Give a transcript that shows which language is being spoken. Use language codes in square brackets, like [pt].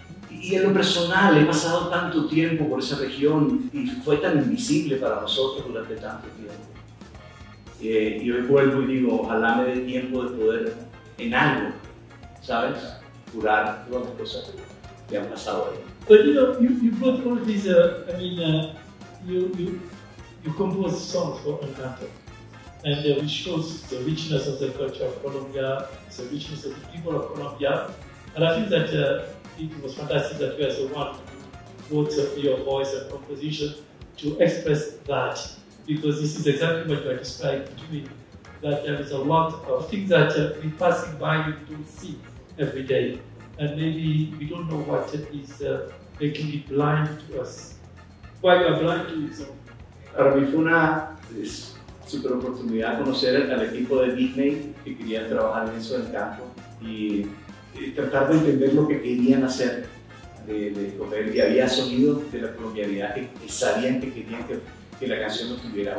[es] Y en lo personal, he pasado tanto tiempo por esa región y fue tan invisible para nosotros durante tanto tiempo. Y hoy vuelvo y digo, ojalá me dé tiempo de poder en algo, ¿sabes? Curar todas las cosas que han pasado ahí. [en] But you know, you brought all these, you composed songs for Encanto, and which shows the richness of the culture of Colombia, the richness of the people of Colombia. And I think that it was fantastic that you as the one who wrote your voice and composition to express that, because this is exactly what you are describing to me, that there is a lot of things that we passing by you don't see every day. And maybe we don't know what is making it blind to us. Why you are blind to it? [es] Para mí fue una super oportunidad conocer al equipo de Disney que querían trabajar en eso del campo y tratar de entender lo que querían hacer de comer. Y había sonidos de la colombianidad que sabían que querían que la canción lo tuviera.